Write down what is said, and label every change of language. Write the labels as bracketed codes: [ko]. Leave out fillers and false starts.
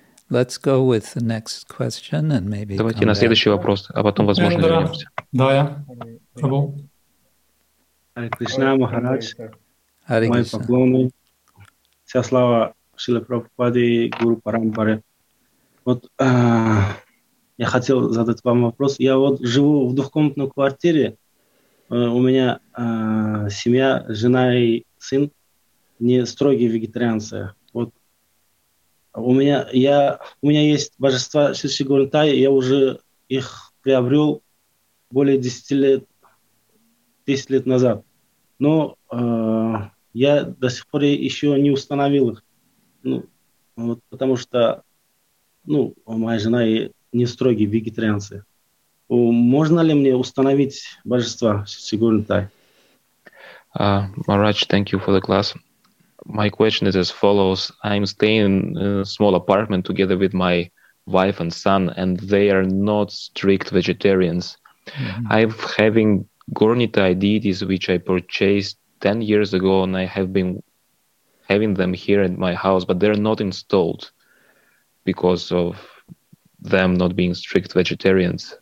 [en] Let's go with the next question and maybe. [ru] Давайте [en] come [ru] на следующий [en] back. [ru] Вопрос, а потом, возможно, вернемся. Да, я. Прабу. Харе Кришна, Махарадж. Харе Кришна. Мои поклоны. Вся слава Шриле Прабхупаде и Гуру Парампаре. Вот я хотел задать вам вопрос. Я вот живу в двухкомнатной квартире. У меня семья, жена и сын не строгие вегетарианцы. Вот у меня есть божества Шри Шри Гурунтай, я уже их приобрел более 10 лет назад. Но я до сих пор еще не установил их. Ну, вот потому что моя жена и не строгие вегетарианцы. Можно ли мне установить божества Сигурна Тай? [en] Maharaj, thank you for the class. My question is as follows. I'm staying in a small apartment together with my wife and son, and they are not strict vegetarians. Mm-hmm. I'm having Gurni Tai deities, which I purchased 10 years ago, and I have been having them here in my house, but they're not installed because of them not being strict vegetarians.